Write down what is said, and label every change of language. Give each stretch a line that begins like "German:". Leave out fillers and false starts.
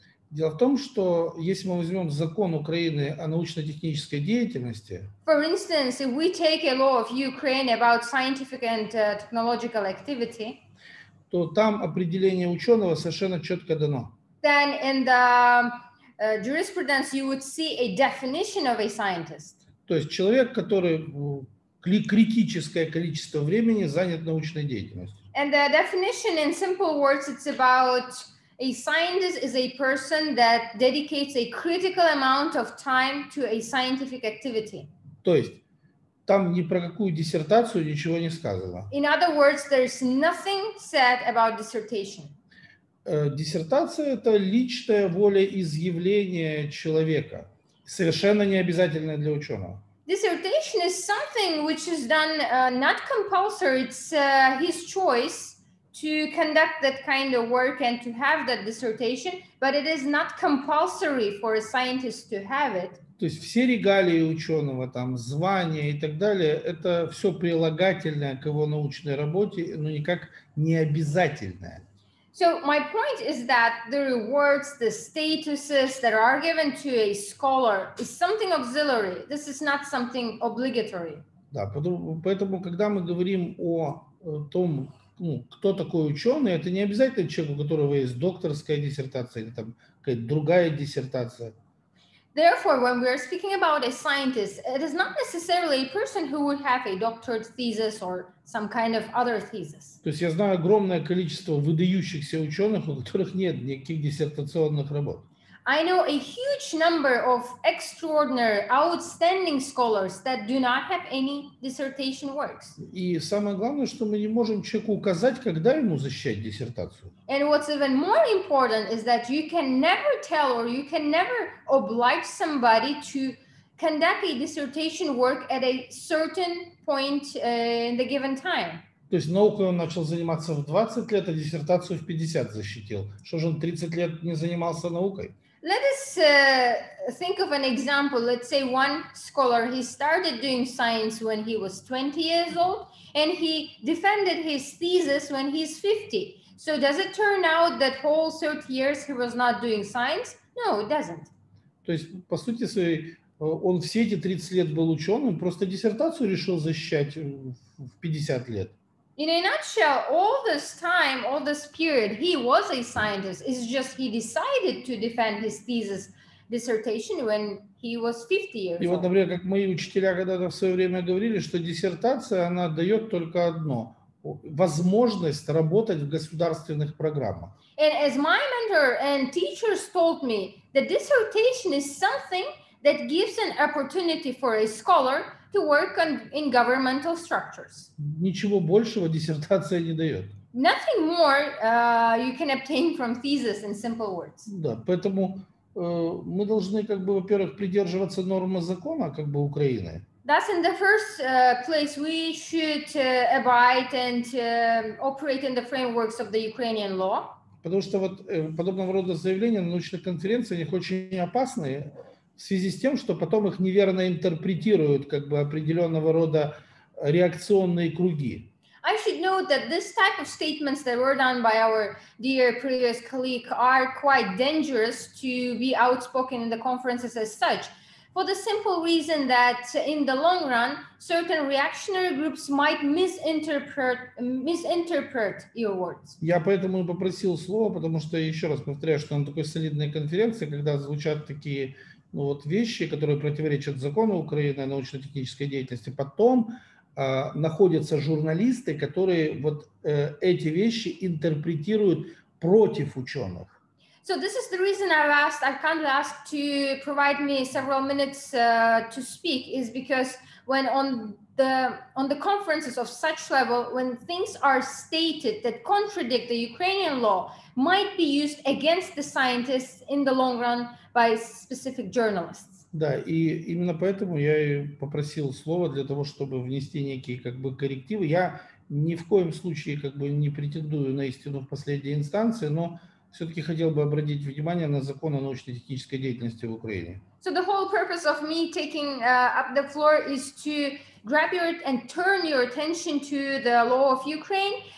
Russian: Дело в том, что если мы возьмем закон Украины о научно-технической деятельности,
English: for instance, if we take a law of Ukraine about scientific and technological activity,
Russian: то там определение ученого совершенно четко дано.
English: Then in the jurisprudence you would see a definition of a scientist.
Russian: То есть человек, который критическое количество времени занят научной деятельностью.
English: And the definition in simple words, it's about a scientist is a person that dedicates a critical amount of time to a scientific activity.
Russian: То есть там ни про какую диссертацию ничего не сказано.
English: In other words, there's nothing said about dissertation.
Russian: Диссертация – это личное волеизъявление человека, совершенно не обязательное для ученого.
English: Dissertation is something which is done not compulsory, it's his choice to conduct that kind of work and to have that dissertation, but it is not compulsory for a scientist to have it.
Russian: То есть все регалии ученого, там, звания и так далее, это все прилагательное к его научной работе, но никак не обязательное.
English: So my point is that the rewards, the statuses that are given to a scholar is something auxiliary. This is not something obligatory.
Russian: Да, поэтому, когда мы говорим о том, ну, кто такой ученый, это не обязательно человек, у которого есть докторская диссертация или там какая-то другая диссертация.
English: Therefore, when we are speaking about a scientist, it is not necessarily a person who would have a doctorate thesis or some kind of other thesis.
Russian: То есть я знаю огромное количество выдающихся ученых, у которых нет никаких диссертационных работ.
English: I know a huge number of extraordinary, outstanding scholars that do not have any dissertation works.
Russian: И самое главное, что мы не можем человеку указать, когда ему защищать диссертацию.
English: And what's even more important is that you can never tell or you can never oblige somebody to conduct a dissertation work at a certain point in the given time.
Russian: То есть наукой он начал заниматься в 20 лет, а диссертацию в 50 защитил. Что же он 30 лет не занимался наукой?
English: Let us think of an example. Let's say one scholar, he started doing science when he was 20 years old and he defended his thesis when he's 50. So does it turn out that whole 30 years he was not doing science? No, it doesn't.
Russian: То есть, по сути своей, он все эти 30 лет был ученым, просто диссертацию решил защищать в 50 лет.
English: In a nutshell, all this time, all this period, he was a scientist. It's just he decided to defend his thesis dissertation when he was 50 years old.
Russian: И вот, например, как мои учителя когда-то в свое время говорили, что диссертация, она дает только одно – возможность работать в государственных программах.
English: And as my mentor and teachers told me, the dissertation is something that gives an opportunity for a scholar to work on, in governmental structures.
Russian: Ничего большего диссертация не дает.
English: Nothing more you can obtain from thesis in simple words.
Russian: Да, поэтому мы должны, как бы, во-первых, придерживаться нормы закона, как бы, Украины.
English: Thus, in the first place, we should abide and operate in the frameworks of the Ukrainian law.
Russian: Потому что вот подобного рода заявления на научных конференциях очень опасные. В связи с тем, что потом их неверно интерпретируют, как бы, определенного рода реакционные круги.
English: I should note that this type of statements that were done by our dear previous colleague are quite dangerous to be outspoken in the conferences as such, for the simple reason that in the long run, certain reactionary groups might misinterpret your words.
Russian: Я поэтому и попросил слово, потому что, еще раз повторяю, что на такой солидной конференции, когда звучат такие, ну, вот вещи, которые противоречат закону Украины о научно-технической деятельности, потом находятся журналисты, которые вот эти вещи интерпретируют против ученых.
English: So this is the reason I kindly asked to provide me several minutes to speak, is because when on the conferences of such level, when things are stated that contradict the Ukrainian law, might be used against the scientists in the long run by specific journalists.
Russian: Да, и именно поэтому я и попросил слово для того, чтобы внести некие как бы коррективы. Я ни в коем случае как бы не претендую на истину в последней инстанции, но все-таки хотел бы обратить внимание на закон о научно-технической деятельности в Украине.
English: So the whole purpose of me taking up the floor is to grab your and turn your attention to the law of Ukraine.